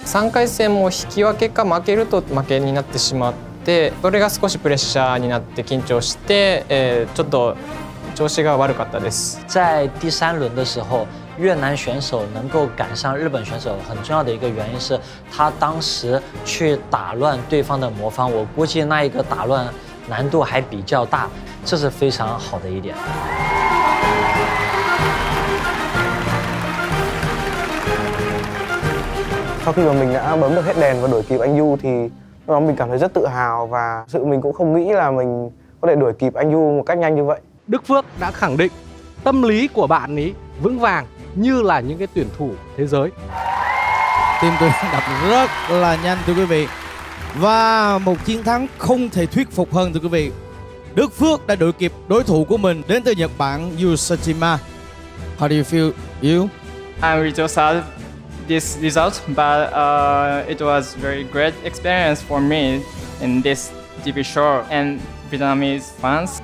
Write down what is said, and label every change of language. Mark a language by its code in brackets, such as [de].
[ja] 3回戦も引き分けか負けると負けになってしまって、それが少しプレッシャーになって緊張して、ちょっと調子が悪かったです。 [zh] 在第三轮的时候，越南选手能够赶上日本选手，很重要的一个原因是他当时去打乱对方的魔方。我估计那一个打乱难度还比较大，这是非常好的一点。 [vi] sau khi mà mình đã bấm được hết đèn và đuổi kịp anh Du thì lúc đó mình cảm thấy rất tự hào và sự mình cũng không nghĩ là mình có thể đuổi kịp anh Du một cách nhanh như vậy. Đức Phước đã khẳng định tâm lý của bạn ấy vững vàng như là những cái tuyển thủ thế giới. Tim tôi đập rất là nhanh thưa quý vị. Và một chiến thắng không thể thuyết phục hơn thưa quý vị. Đức Phước đã đuổi kịp đối thủ của mình đến từ Nhật Bản, Yusajima. [en] How do you feel, you? I'm really so sad, this result, but it was very great experience for me in this TV show and Vietnamese fans.